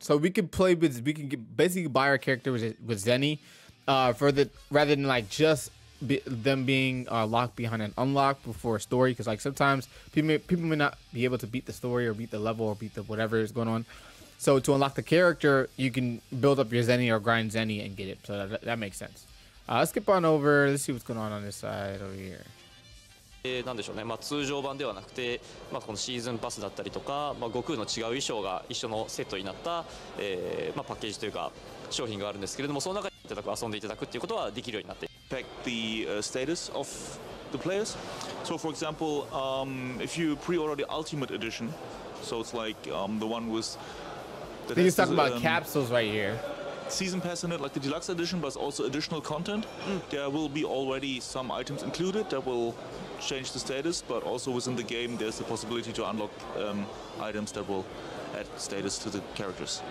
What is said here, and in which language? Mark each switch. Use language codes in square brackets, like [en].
[en] So we can play with, we can basically buy our character with Zenny rather than like just them being locked behind an unlock before a story, because like sometimes people may not be able to beat the story or beat the level or beat the whatever is going on. So to unlock the character, you can build up your Zenny or grind Zenny and get it. So that makes sense. Let's skip on over. Let's see what's going on this side over here. [ja] なんでしょうね。まあ通常版ではなくて、まあこのシーズンパスだったりとか、まあ悟空の違う衣装が一緒のセットになった、まあパッケージというか商品があるんですけれども、その中でいただく遊んでいただくっていうことはできるようになって。 [en] The status of the players. So for example, if you pre-order the Ultimate Edition, so it's like the one with think he's talking about capsules right here. Season pass in it, like the deluxe edition, but also additional content. There will be already some items included that will change the status, but also within the game, there's the possibility to unlock items that will add status to the characters.